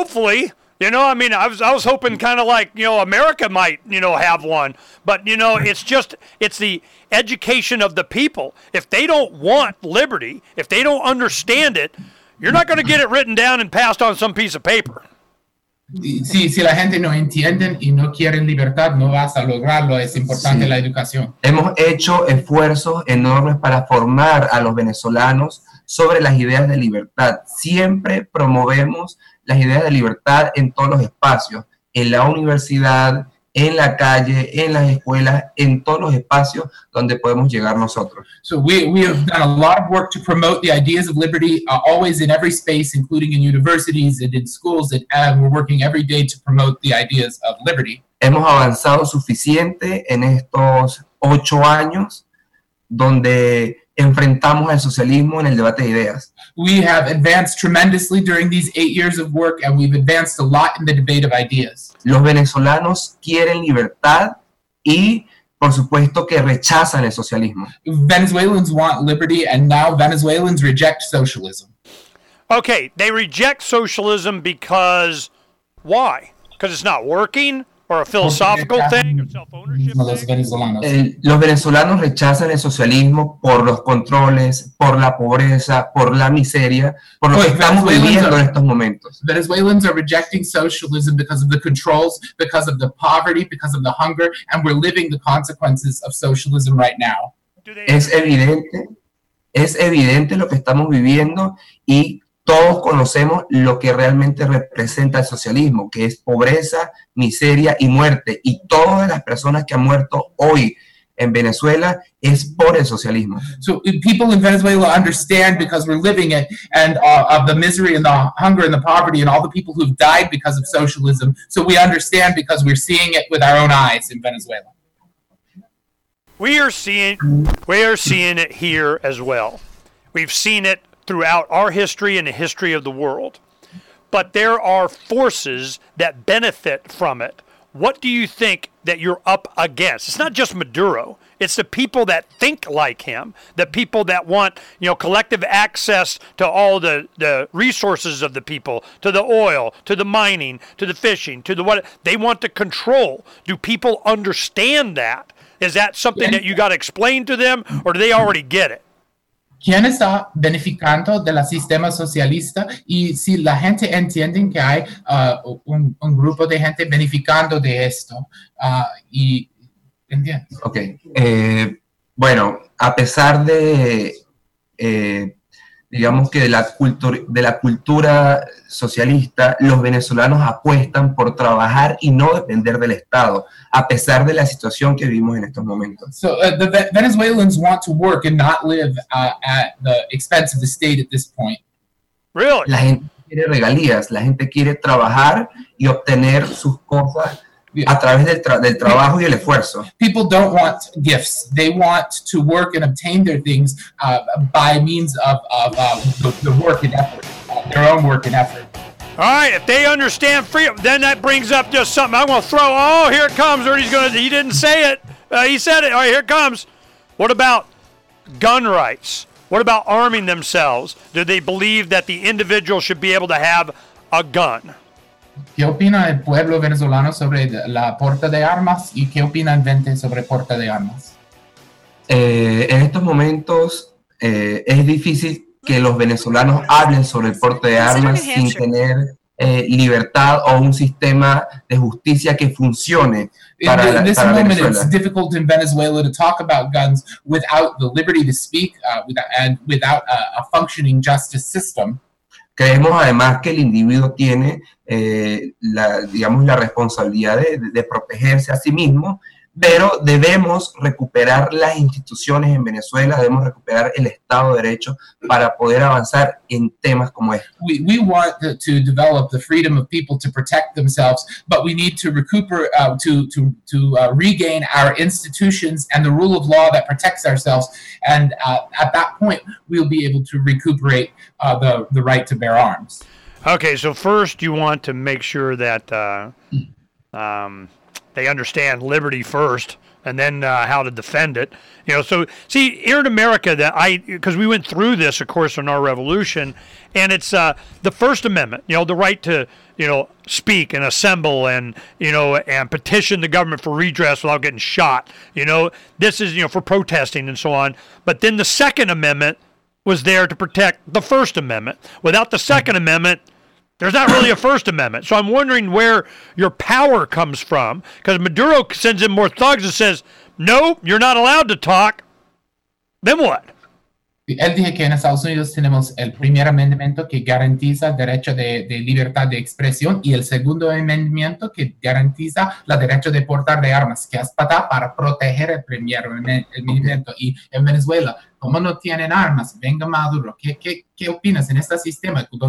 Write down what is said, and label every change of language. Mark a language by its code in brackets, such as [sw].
[en] I was hoping kind of like, you know, America might, you know, have one, but you know, it's the education of the people. If they don't want liberty, if they don't understand it, you're not going to get it written down and passed on some piece of paper. [es] Si la gente no entiende y no quiere libertad, no vas a lograrlo. Es importante la educación. Hemos hecho esfuerzos enormes para formar a los venezolanos sobre las ideas de libertad. Siempre promovemos las ideas de libertad en todos los espacios, en la universidad, en la calle, en las escuelas, en todos los espacios donde podemos llegar nosotros. [en] So we have done a lot of work to promote the ideas of liberty, always in every space, including in universities and in schools, and we're working every day to promote the ideas of liberty. [es] Hemos avanzado suficiente en estos 8 años donde enfrentamos al socialismo en el debate de ideas. [en] We have advanced tremendously during these 8 years of work, and we've advanced a lot in the debate of ideas. [es] Los venezolanos quieren libertad y, por supuesto, que rechazan el socialismo. [en] Venezuelans want liberty, and now Venezuelans reject socialism. Okay, they reject socialism because why? Because it's not working? Or a philosophical thing, self-ownership. [es] Los venezolanos rechazan el socialismo por los controles, por la pobreza, por la miseria, por lo que estamos viviendo en estos momentos. [en] Venezuelans are rejecting socialism because of the controls, because of the poverty, because of the hunger, and we're living the consequences of socialism right now. [es] Es evidente lo que estamos viviendo y todos conocemos lo que realmente representa el socialismo, que es pobreza, miseria y muerte. Y todas las personas que han muerto hoy en Venezuela es por el socialismo. [en] So people in Venezuela understand because we're living it, and of the misery and the hunger and the poverty and all the people who've died because of socialism. So we understand because we're seeing it with our own eyes in Venezuela. We are seeing it here as well. We've seen it throughout our history and the history of the world. But there are forces that benefit from it. What do you think that you're up against? It's not just Maduro. It's the people that think like him, the people that want, you know, collective access to all the resources of the people, to the oil, to the mining, to the fishing, to the what they want to control. Do people understand that? Is that something that you got to explain to them, or do they already get it? [es] ¿Quién está beneficiando del sistema socialista? Y si la gente entiende que hay un grupo de gente beneficiando de esto, y entiendes. Ok. Bueno, a pesar de, digamos que de la cultura socialista, los venezolanos apuestan por trabajar y no depender del Estado, a pesar de la situación que vivimos en estos momentos. [en] So the Venezuelans want to work and not live at the expense of the state at this point. Really? [es] La gente quiere regalías, la gente quiere trabajar y obtener sus cosas a través del trabajo y el esfuerzo. [en] People don't want gifts. They want to work and obtain their things by means of the work and effort, their own work and effort. All right, if they understand freedom, then that brings up just something. I'm going to throw, oh, here it comes. He didn't say it. He said it. All right, here it comes. What about gun rights? What about arming themselves? Do they believe that the individual should be able to have a gun? [es] ¿Qué opina el pueblo venezolano sobre la porta de armas? ¿Y qué opina el 20 sobre porta de armas? En estos momentos es difícil que los venezolanos hablen sobre el porte de armas sin tener libertad o un sistema de justicia que funcione para Venezuela. [en] In this moment, it's difficult in Venezuela to talk about guns without the liberty to speak and without a functioning justice system. [es] Creemos además que el individuo tiene la responsabilidad de protegerse a sí mismo, pero debemos recuperar las instituciones en Venezuela, debemos recuperar el Estado de Derecho para poder avanzar en temas como este. [en] We want to develop the freedom of people to protect themselves, but we need to regain our institutions and the rule of law that protects ourselves, and at that point we'll be able to recuperate the right to bear arms. Okay, so first you want to make sure that they understand liberty first, and then how to defend it. You know, so see here in America that I, because we went through this, of course, in our revolution, and it's the First Amendment. You know, the right to speak and assemble and petition the government for redress without getting shot. You know, this is for protesting and so on. But then the Second Amendment was there to protect the First Amendment. Without the Second Amendment, there's not really a First Amendment. So I'm wondering where your power comes from, because Maduro sends in more thugs and says, no, you're not allowed to talk. Then what? [es] Él dice que en Estados Unidos tenemos el primer amendamiento que garantiza derecho de libertad de expresión y el segundo amendamiento que garantiza la derecho de portar de armas, que es para proteger el primer amendamiento. Y en Venezuela, ¿cómo no tienen armas? Venga Maduro, ¿qué opinas en este sistema?